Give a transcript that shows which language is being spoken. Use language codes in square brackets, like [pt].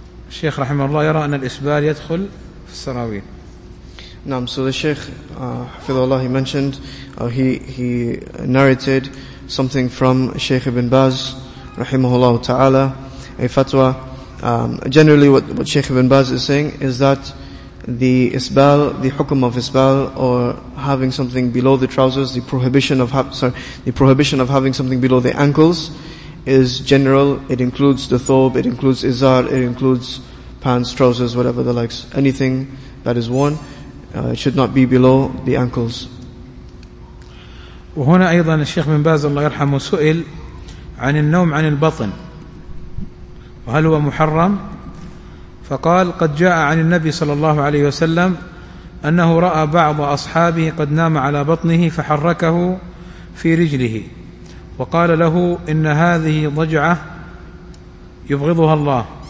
[ar] الشيخ رحمه الله يرى أن الإسبال يدخل في السراويل. نعم. [en] So the Sheikh [ar] حفظه الله, [en] he mentioned he narrated something from Sheikh Ibn Baz [ar] رحمه الله تعالى, [en] a fatwa. Generally what Sheikh Ibn Baz is saying is that the isbal, the hukum of isbal, or having something below the trousers, the prohibition of having something below the ankles, is general. It includes the thobe, it includes izar, it includes pants, trousers, whatever the likes. Anything that is worn, it should not be below the ankles. [ar] وهنا أيضا الشيخ بن باز الله يرحمه سئل عن النوم عن البطن وهل هو محرم؟ فقال قد جاء عن النبي صلى الله عليه وسلم أنه رأى بعض أصحابه قد نام على بطنه فحركه في رجله وقال له إن هذه ضجعة يبغضها الله.